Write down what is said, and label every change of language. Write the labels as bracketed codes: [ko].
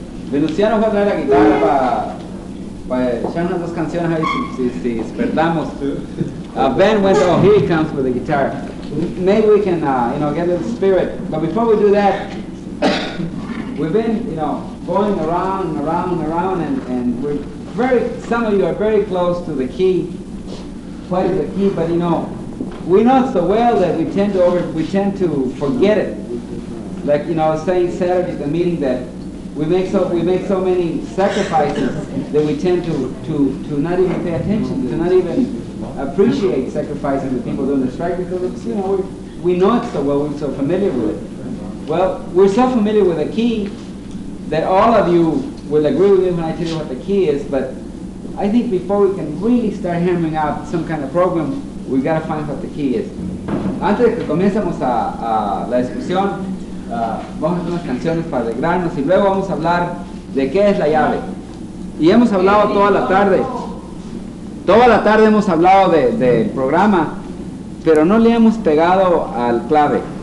[es] Venustiano fue a traer la guitarra para echar unas dos canciones ahí si despertamos. [en] Ben went, oh, here he comes with the guitar. Maybe we can, you know, get a little spirit. But before we do that, we've been, you know, going around and around and around, and we're very, some of you are very close to the key, playing the key, but, you know, we know it so well that we tend to forget it. Like, you know, I was saying Saturday at the meeting that we make so many sacrifices that we tend to not even pay attention, to not even appreciate sacrificing the people doing the strike, because it's, you know, we know it so well, we're so familiar with it. Well, we're so familiar with the key that all of you will agree with me when I tell you what the key is, but I think before we can really start hammering out some kind of program, we've got to find what the key is. [es] Antes de que comencemos a la discusión, vamos a hacer unas canciones para alegrarnos y luego vamos a hablar de qué es la llave. Y hemos hablado toda la tarde. Toda la tarde hemos hablado del programa, pero no le hemos pegado al clave.